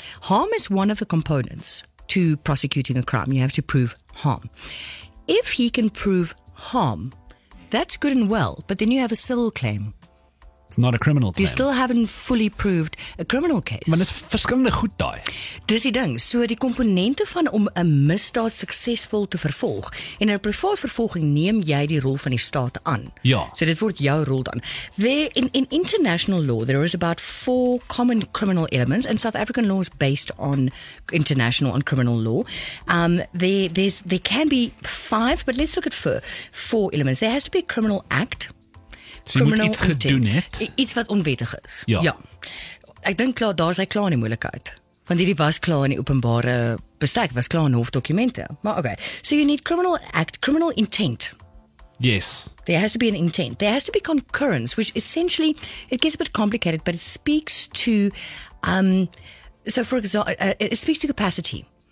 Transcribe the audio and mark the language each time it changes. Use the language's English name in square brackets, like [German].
[English] Harm is one of the components to prosecuting a crime. You have to prove harm. If he can prove harm, that's good and well, but then you have a civil claim. It's not a criminal claim. You still haven't fully proved a criminal case. [Afrikaans] Maar dis verskillende goed daai. Dis die ding. So die komponente van om 'n misdaad suksesvol te vervolg. En in 'n private vervolging neem jy die rol van die staat aan. Ja. So dit word jou rol dan. [English] There, in international law, there is about 4 common criminal elements, and South African law is based on international and criminal law. There can be 5, but let's look at 4 elements. There has to be a criminal act. [Afrikaans] So criminal iets gedoen het. Iets wat onwettig is. Ja. Ek dink klaar, daar is hy klaar in die moeilikheid. Want hierdie was klaar in die openbare bestek, was klaar in hofdokumente. Maar okay, [English] so you need criminal act, criminal intent. Yes. There has to be an intent. There has to be concurrence, which essentially, it gets a bit complicated, but it speaks to, it speaks to capacity.